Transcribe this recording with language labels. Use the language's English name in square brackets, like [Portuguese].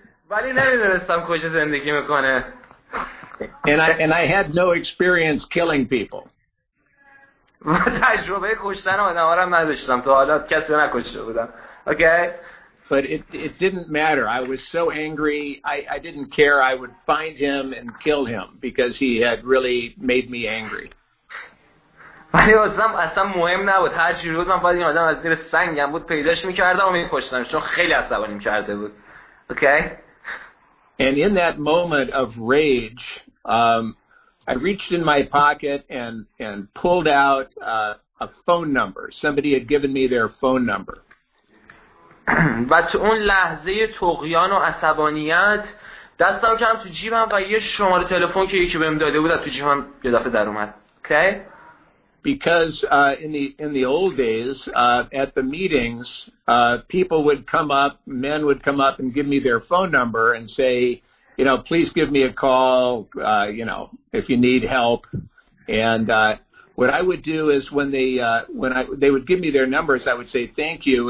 [Persian] ولی نمی‌دونستم کجا زندگی می‌کنه. [English] And I had no experience killing people. [Persian] تجربه کشتن آدم‌ها را نداشتم تا حالا، کسی نکشته بودم. Okay. [English] So But it didn't matter. I was so angry. I didn't care. I would find him and kill him because he had really made me angry. [Persian] ولی اصلا مهم نبود. هر چی بود من باید این آدم از زیر سنگم بود پیداش میکردم و میکشتم چون خیلی عصبانی کرده بود. [English] Okay? And in that moment of rage, I reached in my pocket and pulled out a phone number. Somebody had given me their phone number. [Persian] و تو اون لحظه طغیان و عصبانیت دستم کردم تو جیبم و یه شماره تلفن که یکی بهم داده بود از تو جیبم یه دفعه در اومد. [English] Okay? Because in the old days, at the meetings, people would come up, men would come up and give me their phone number and say, you know, please give me a call, you know, if you need help. And what I would do is when they would give me their numbers, I would say, thank you.